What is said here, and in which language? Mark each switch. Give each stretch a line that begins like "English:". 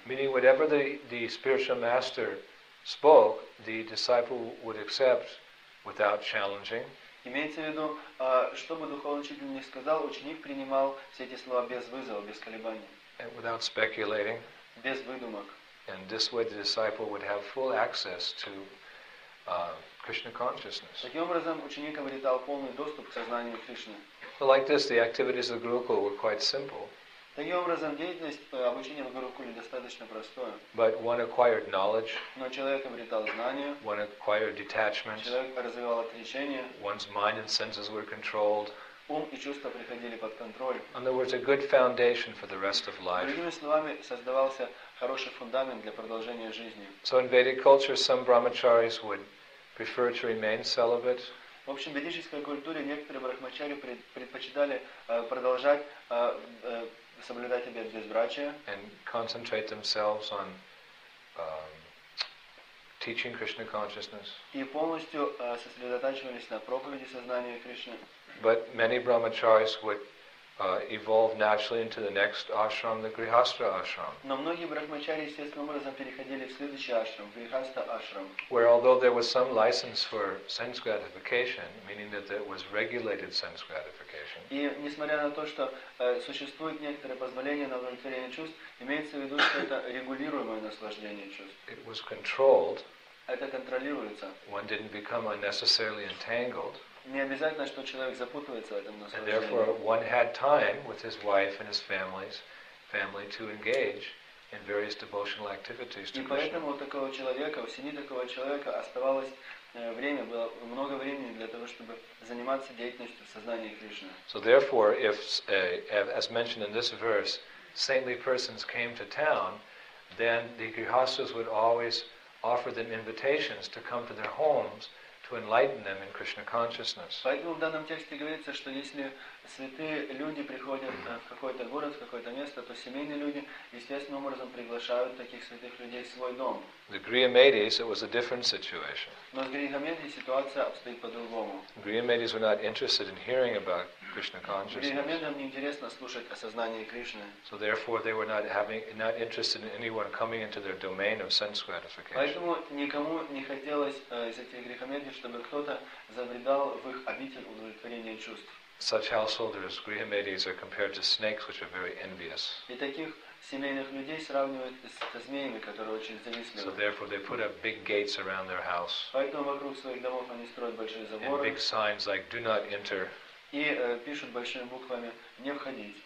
English: Meaning, whatever the spiritual master spoke, the disciple would accept without challenging.
Russian: Имеется в виду, что бы духовный учитель ни сказал, ученик принимал все эти слова без вызова, без колебаний.
English: And without speculating.
Russian: Без выдумок.
English: And this way, the disciple would have full access to Krishna consciousness.
Russian: Таким образом, ученик обретал полный доступ к сознанию Кришны.
English: So like this, the activities of the Gurukul were quite simple.
Russian: Таким образом, деятельность обучения в Гурукуле достаточно простое.
English: But one acquired knowledge.
Russian: Но человек обретал знания.
English: One acquired detachment.
Russian: Человек развивал отречение.
English: One's mind and senses were controlled.
Russian: Ум и чувства приходили под контроль.
English: In other words, a good foundation for the rest of life.
Russian: Другими словами, создавался хороший фундамент для продолжения жизни.
English: So in Vedic culture, some brahmacharis would prefer to remain celibate.
Russian: В общем, в ведической культуре некоторые брахмачари предпочитали продолжать соблюдать обет безбрачия.
English: And concentrate themselves on teaching Krishna consciousness.
Russian: И полностью сосредотачивались на проповеди сознания Кришны.
English: But many brahmacharis would evolve naturally into the next ashram, the grihastha ashram.
Russian: Но многие брахмачари естественным образом переходили в следующий ашрам, грихастха ашрам.
English: Where although there was some license for sense gratification, meaning that there was regulated sense gratification.
Russian: И несмотря на то, что существует некоторое позволение на удовлетворение чувств, имеется в виду, что это регулируемое наслаждение чувств.
English: It was controlled.
Russian: Это контролируется.
English: One didn't become unnecessarily entangled.
Russian: Не обязательно, что человек запутывается в этом наслаждении.
English: And therefore, one had time with his wife and his family to engage in various devotional activities to Krishna.
Russian: И поэтому у такого человека, у семьи такого человека оставалось время, было много времени для того, чтобы заниматься деятельностью в сознании Кришны.
English: So therefore, if as mentioned in this verse, saintly persons came to town, then the grihasthas would always offer them invitations to come to their homes to enlighten them in Krishna consciousness.
Russian: Поэтому в данном тексте говорится, что если святые люди приходят в какой-то город, в какое-то место, то семейные люди естественным образом приглашают таких святых людей в свой дом.
English: The Grihamedis, it was a different situation.
Russian: Но с Грихамеди ситуация обстоит по-другому.
English: Grihamedis were not interested in hearing about Krishna consciousness.
Russian: Грихамедам не интересно слушать о сознании Кришны.
English: So therefore they were not interested in anyone coming into their domain of sense gratification.
Russian: Поэтому никому не хотелось из этих Грихамеди, чтобы кто-то забредал в их обитель удовлетворения чувств.
English: Such householders, Grihamedis, are compared to snakes, which are very envious.
Russian: И таких семейных людей сравнивают со змеями, которые очень завистливы.
English: So therefore, they put up big gates around their house.
Russian: Поэтому вокруг своих домов они строят большие заборы.
English: And big signs like "Do not enter".
Russian: И пишут большими буквами "Не входить".